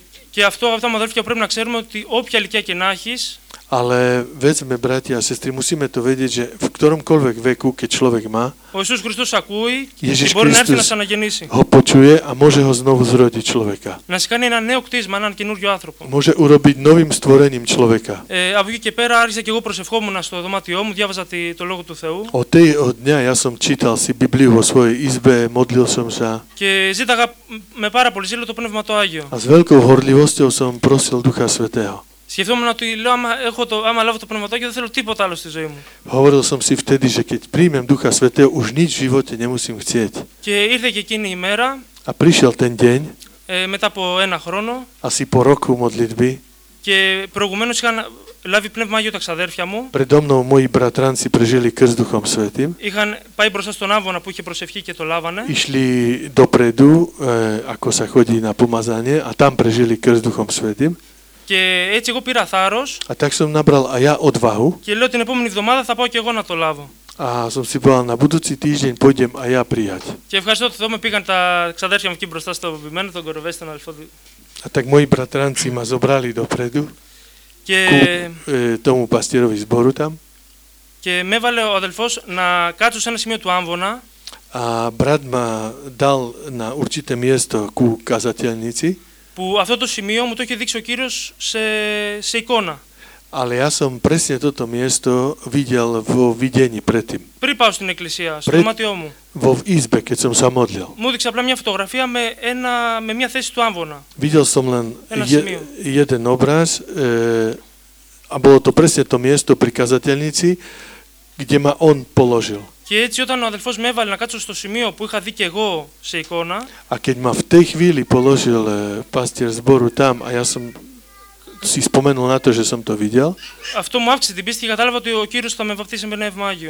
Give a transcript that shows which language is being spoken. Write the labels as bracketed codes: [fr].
[el] Και αυτό, αγαπητά μου αδέρφια, πρέπει να ξέρουμε ότι όποια ηλικία και να έχεις. [sk] Ale vezme, bratia a sestry, musíme to vedieť, že v ktoromkoľvek veku, keď človek má, Ježiš Kristus akúj, Ježiš Kristus ho počuje a môže ho znovu zrodiť človeka. Môže urobiť novým stvorením človeka. Od toho dňa ja som čítal si Bibliu vo svojej izbe, modlil som sa a s veľkou horlivosťou som prosil Ducha Svätého. [el] Σκεφτόμουν ότι λέω, άμα λάβω το πνευματάκι, δεν θέλω τίποτα άλλο στη ζωή μου. [sk] Hovoril som si vtedy, že keď príjmem Ducha Svätého, už nič v živote nemusím chcieť. [el] Και ήρθε και εκείνη η μέρα. [sk] A prišiel ten deň. [el] Μετά από ένα χρόνο. [sk] Asi po roku modlitby. [el] Και προηγουμένως είχαν λάβει πνεύμα Άγιο τα ξαδέρφια μου. [sk] Predo mnou moji bratranci prežili krst Duchom Svätým. [el] Είχαν πάει μπροστά στον άβονα που είχε προσευχή και το λάβανε. [sk] Išli dopredu, ako sa chodí na pomazanie, a tam prežili krst Duchom Svätým. [el] Και έτσι εγώ πήρα θάρρος. [sk] A tak som nabral aj ja odvahu. [el] Και λέω την επόμενη εβδομάδα θα πάω και εγώ να το λάβω. [sk] A som si povedal, na budúci týždeň pôjdem aj ja prijať. [el] Και ευχαριστώ το Θεό, με πήγαν τα ξαδέρφια μου εκεί μπροστά στο βημένο, τον κοροβέ, στον αδελφό. [sk] A tak moji bratranci ma zobrali dopredu. [el] Και [sk] tomu pastierovi zboru tam. [el] Και με έβαλε ο αδελφός να κάτσω σε ένα σημείο του άμβονα. [sk] A brat ma dal na určité miesto ku kazateľnici. [el] Που αυτό το σημείο μου το είχε δείξει ο Κύριος σε εικόνα. [sk] Αλλά ja som presne toto miesto videl vo videní predtým. [el] Πριν πάω στην εκκλησία, στο δωμάτιό μου. [sk] Vo izbe, keď som sa modlil. [el] Μου δείξε απλά μια φωτογραφία με μια θέση του άμβονα. [sk] Videl som len jeden obraz a bolo to presne to miesto pri kazateľnici, kde ma on položil. [el] Και έτσι όταν ο αδελφός με έβαλε να κάτσω στο σημείο που είχα δει και εγώ σε εικόνα. [sk] A keď ma v tej chvíli položil pastier zboru tam a ja som si spomenul na to, že som to videl. [el] Αυτό μου αύξησε την πίστη, κατάλαβα ότι ο Κύριος θα με βαπτίσει με Πνεύμα Άγιο.